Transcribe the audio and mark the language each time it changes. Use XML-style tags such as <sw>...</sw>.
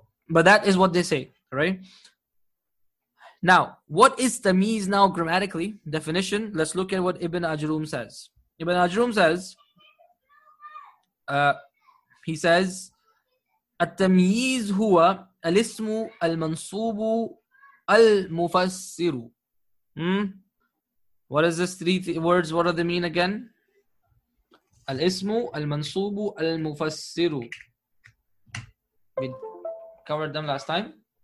<en>But that is what they say, right? Now, what is tamyiz now grammatically? Definition, let's look at what Ibn Ajrum says. Ibn Ajrum says...</en> <ar>he says, "التمييز هو الاسم المنصوب المفسر."</ar> <en>What is this three words? What do they mean again?</en> <ar>"الاسم المنصوب المفسر."</ar> <en>We covered them last time.</en>